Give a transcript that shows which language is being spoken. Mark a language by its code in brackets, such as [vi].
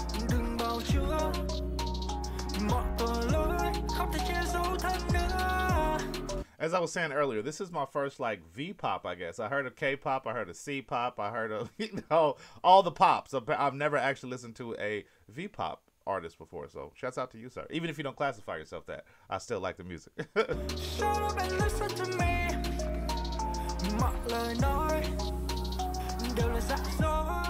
[vi] Đừng bao chữa mọi tội lỗi, khóc thật trên dấu thân nữa. [en] As I was saying earlier, this is my first, like, V-pop, I guess. I heard of K-pop, I heard of C-pop, I heard of, you know, all the pops. I've never actually listened to a V-pop artist before, so shouts out to you, sir. Even if you don't classify yourself that, I still like the music. Shut up and listen to me. [vi] Mọi lời nói đều là giả dối.